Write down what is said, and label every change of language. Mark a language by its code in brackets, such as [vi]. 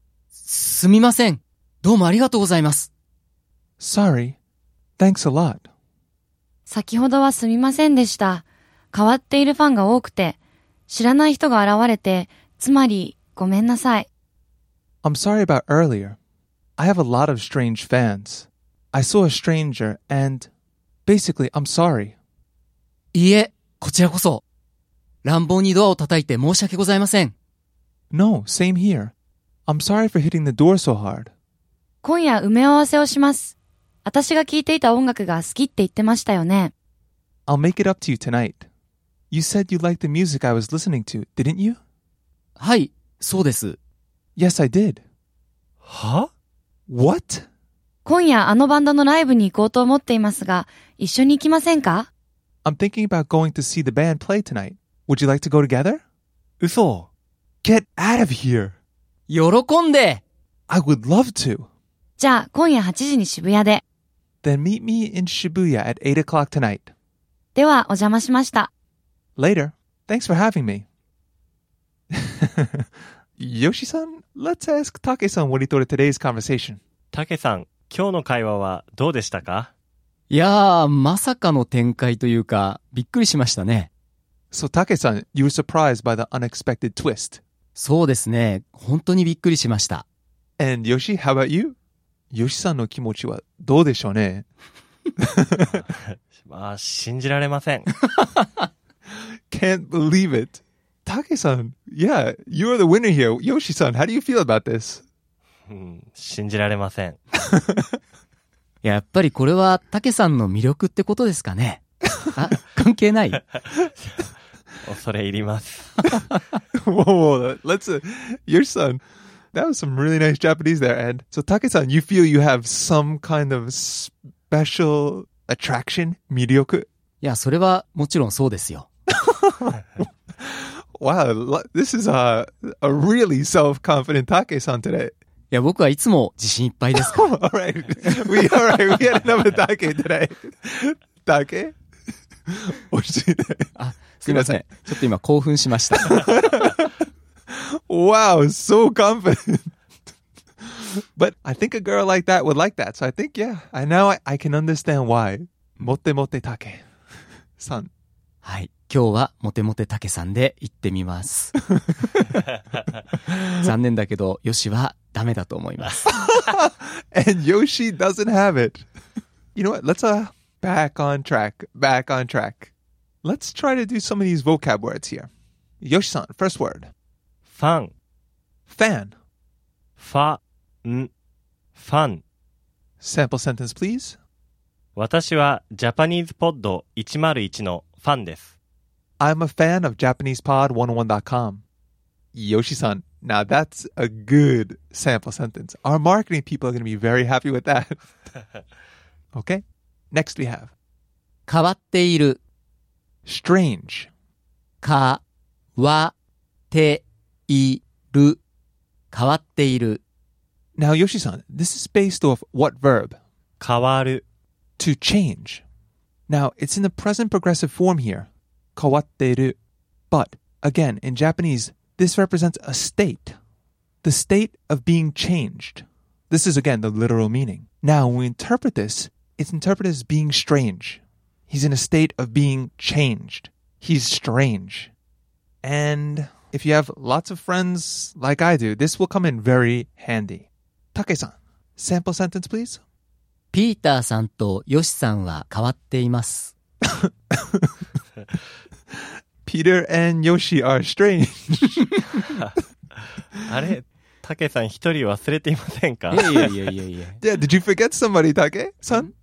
[ja] すみません、どうもありがとうございます。 [en] Sorry, thanks a lot. [ja] 先ほどはすみませんでした。変わっているファンが多くて、知らない人が現れて、つまりごめんなさい。 [en] I'm sorry about earlier. I have a lot of strange fans. I saw a stranger and basically I'm sorry. [ja] いえ、こちらこそ。乱暴にドアを叩いて申し訳ございません。 [en] No, same here. I'm sorry for hitting the door so hard. [ja] 今夜埋め合わせをします。私が聴いていた音楽が好きって言ってましたよね。 [en] I'll make it up to you tonight. You said you liked the music I was listening to, didn't you? [ja] はい、そうです。 [en] Yes, I did. Huh? What? [ja] 今夜あのバンドのライブに行こうと思っていますが、一緒に行きませんか？ [en] I'm thinking about going to see the band play tonight. Would you like to go together? [ja] 嘘。 [en] Get out of here! [ja] 喜んで。 [en] I would love to. [ja] じゃあ今夜8時に渋谷で。 [en] Then meet me in Shibuya at 8 o'clock tonight. [ja] ではお邪魔しました。 [en] Later. Thanks for having me. Yoshi-san, let's ask Take-san what he thought of today's conversation. Take-san. [ja] 今日の会話はどうでしたか？いやー、まさかの展開というか、びっくりしましたね。 [en] So, Take-san, you were surprised by the unexpected twist. [ja] そうですね、本当にびっくりしました。 [en] And Yoshi, how about you? [ja] Yoshi さんの気持ちはどうでしょうね？まあ、信じられません。 [en] Can't believe it. Take-san, yeah, you're the winner here. Yoshi さん、how do you feel about this? [ja] 信じられません。やっぱりこれはタケさんの魅力ってことですかね。あ、関係ない。恐れ入ります。 [en] Whoa, whoa, let's Yoshi-san, That was some really nice Japanese there, Ed. So, Take-san, you feel you have some kind of special attraction, 魅力? [ja] Yeah, それはもちろんそうですよ。 [en] Wow, this is a really self-confident Take-san today. [ja] いや、僕はいつも自信いっぱいです [en] か。All right. We had another Take today. Take? [ja] おいしいね。あ、すみません。ちょっと今興奮しました。 [en] Wow, so confident. But I think a girl like that would like that. So I think, yeah, I can understand why. [ja] モテモテタケさん。はい。今日はモテモテタケさんで行ってみます。残念だけど、ヨシはダメだと思います。 [en] And Yoshi doesn't have it. You know what? Let's back on track. Let's try to do some of these vocab words here. Yoshi-san, first word. [ja] ファン、 [en] fan、 [ja] ファン、ファン。 [en] Sample sentence, please. [ja] 私はジャパニーズポッド101のファンです。 [en] I'm a fan of JapanesePod101.com. Yoshi-san, now that's a good sample sentence. Our marketing people are going to be very happy with that. Okay, next we have. [ja] 変わっている。 [en] Strange. [ja] 変わって。いる変わっている [en] Now Yoshi-san, this is based off what verb? [ja] 変わる [en] To change Now, it's in the present progressive form here 変わっている But, again, in Japanese, this represents a state The state of being changed This is, again, the literal meaning Now, when we interpret this, it's interpreted as being strange He's in a state of being changed He's strange AndIf you have lots of friends like I do, this will come in very handy. Take-san, sample sentence, please. [ja] ピーターさんとヨシさんは変わっています。 [en] Peter and Yoshi are strange. [ja] あれ、Take-san 一人忘れていませんか? [en] Yeah, did you forget somebody, Take-san?